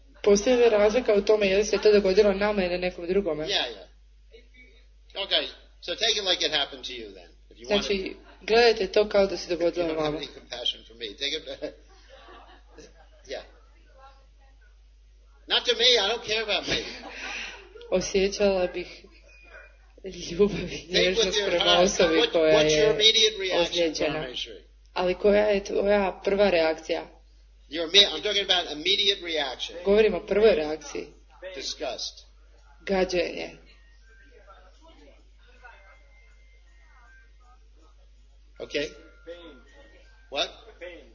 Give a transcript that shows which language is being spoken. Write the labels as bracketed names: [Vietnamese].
[Croatian] Postoji li razlika u tome jel se to dogodilo nama ili nekom drugome? [English] Yeah, yeah. Okay, so take it like it happened to you then. If you [Croatian] znači, [English] want to. [Croatian] Gledajte to kao da se dogodilo vama. [English] You don't have any compassion for me. Take it back. Yeah. Not to me, I don't care about me. [Croatian] Osjećala bih ljubav i nježnost prema osobi koja je ozlijeđena. Ali koja je tvoja prva reakcija? [English] I'm talking about immediate reaction. [Croatian] Govorimo o prvoj reakciji. [English] Disgust. [Croatian] Gađenje. [English] Okay. Pain. What? Pain.